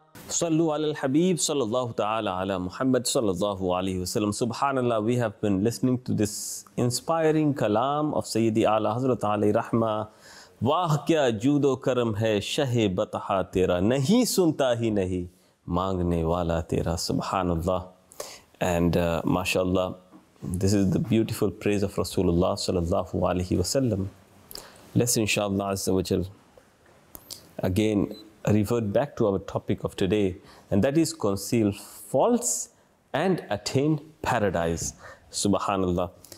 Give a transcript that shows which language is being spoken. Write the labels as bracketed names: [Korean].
[Arabic] صلو علی الحبیب صلی اللہ تعالی علی محمد صلی اللہ علیہ وسلم. [English] سبحان اللہ, we have been listening to this inspiring kalam of Sayyidi Ala Hazrat Ali Rahma. [Urdu] واہ کیا جود و کرم ہے شہ بطحا تیرا نہیں سنتا ہی نہیں مانگنے والا تیرا. [Arabic] سبحان اللہ. [English] And ماشاء اللہ, this is the beautiful praise of Rasulullah صلی اللہ علیہ وسلم. Let's inshallah عز و جل again revert back to our topic of today, and that is conceal faults and attain paradise. Subhanallah.